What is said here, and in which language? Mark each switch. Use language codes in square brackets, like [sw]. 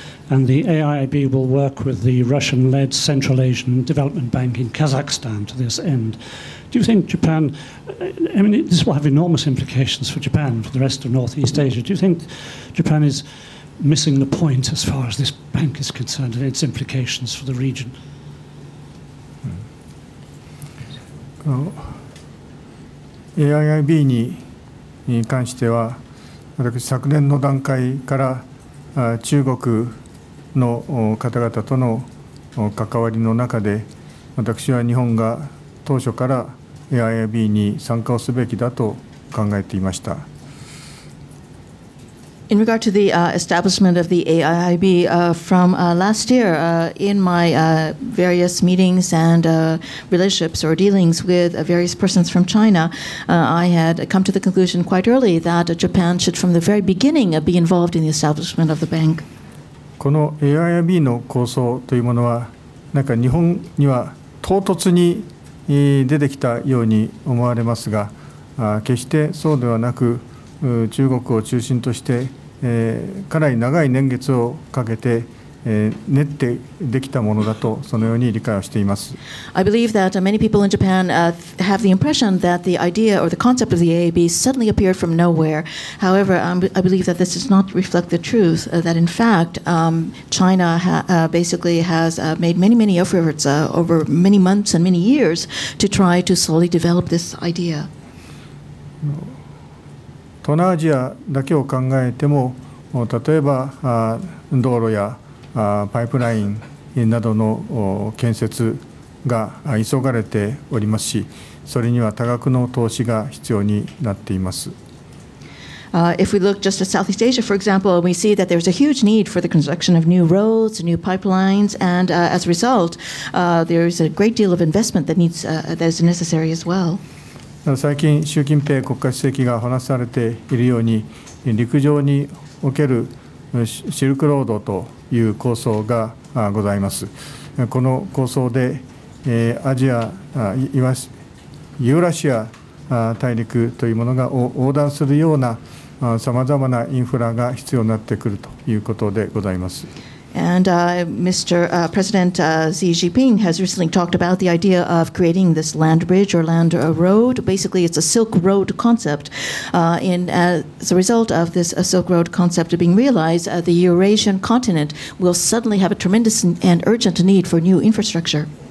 [en] And the AIIB will work with the Russian-led Central Asian Development Bank in Kazakhstan to this end. Do you think Japan, I mean, this will have enormous implications for Japan, for the rest of Northeast Asia. Do you think Japan is missing the point as far as this bank is concerned and its implications for the region? [ja] AIIB に関しては、私、昨年の段階から中国の方々との関わりの中で、私は日本が当初から AIIB に参加をすべきだと考えていました。 [en] In regard to the establishment of the AIIB, from last year, in my various meetings and relationships or dealings with various persons from China, I had come to the conclusion quite early that Japan should from the very beginning be involved in the establishment of the bank. [ja] この AIIB の構想というものは、なんか日本には唐突に出てきたように思われますが、決してそうではなく、中国を中心として、かなり長い年月をかけて、練ってできたものだとそのように理解をしています。 [en] I believe that many people in Japan have the impression that the idea or the concept of the AIIB suddenly appeared from nowhere. However, I believe that this does not reflect the truth, that in fact China basically has made many, many efforts over many months and many years to try to slowly develop this idea. [ja] 東南アジアだけを考えても、例えば道路やパイプラインなどの建設が急がれておりますし、それには多額の投資が必要になっています。 [en] If we look just at Southeast Asia, for example, we see that there's a huge need for the construction of new roads, new pipelines, and as a result, there is a great deal of investment that needs, that is necessary as well. [ja] 最近習近平国家主席が話されているように陸上におけるシルクロードという構想がございます。この構想でアジア、いわしユーラシア大陸というものが横断するようなさまざまなインフラが必要になってくるということでございます。 [en] And Mr. President Xi Jinping has recently talked about the idea of creating this land bridge or land road. Basically, it's a Silk Road concept. And as a result of this Silk Road concept being realized, the Eurasian continent will suddenly have a tremendous and urgent need for new infrastructure.